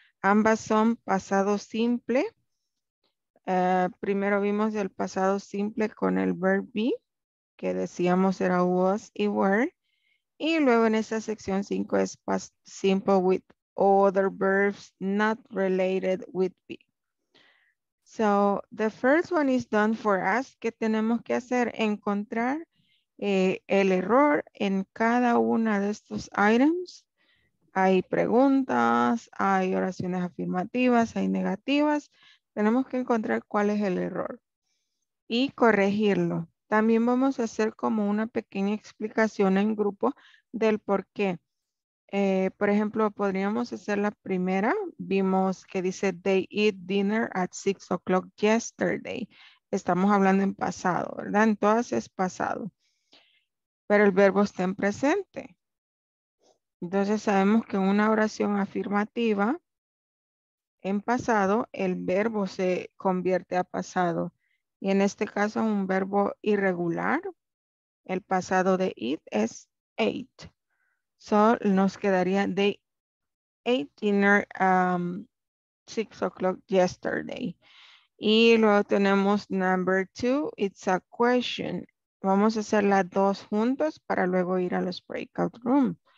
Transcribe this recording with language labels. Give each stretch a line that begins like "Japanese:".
Spanish: Ambas son pasado simple. Primero vimos el pasado simple con el verb be, que decíamos era was y were. Y luego en esta sección 5 es
English: simple with other verbs not related with be. So the first one is done for us.
Spanish: ¿Qué tenemos que hacer? Encontrar el error en cada una de estos items. Hay preguntas, hay oraciones afirmativas, hay negativas. Tenemos que encontrar cuál es el error y corregirlo. También vamos a hacer como una pequeña explicación en grupo del por qué. Por ejemplo, podríamos hacer la primera. Vimos que dice
English: they eat dinner at 6 o'clock yesterday.
Spanish: Estamos hablando en pasado, ¿verdad? En todas es pasado. Pero el verbo está en presente. Entonces sabemos que en una oración afirmativa en pasado, el verbo se convierte a pasado. Y en este caso, un verbo irregular, el pasado de it es ate.
English: So,
Spanish: nos quedaría,
English: they ate dinner 6 o'clock yesterday.
Spanish: Y luego tenemos
English: number two, it's a question.
Spanish: Vamos a hacer las dos juntos para luego ir a los breakout rooms.